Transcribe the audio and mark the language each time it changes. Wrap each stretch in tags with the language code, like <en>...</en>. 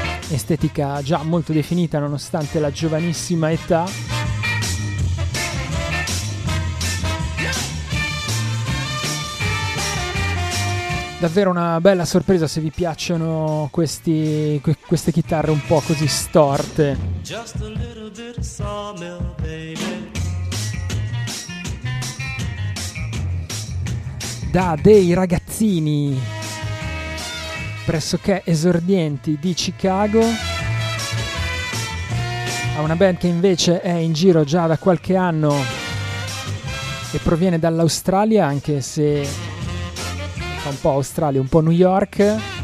<it>Estetica già molto definita nonostante la giovanissima età. Davvero una bella sorpresa se vi piacciono questi, queste chitarre un po' così storte.</it> <en>Just a little bit of sawmill, baby.</en> <it>Da dei ragazzini pressoché esordienti di Chicago a una band che invece è in giro già da qualche anno e proviene dall'Australia, anche se fa un po' Australia, un po' New York.</it>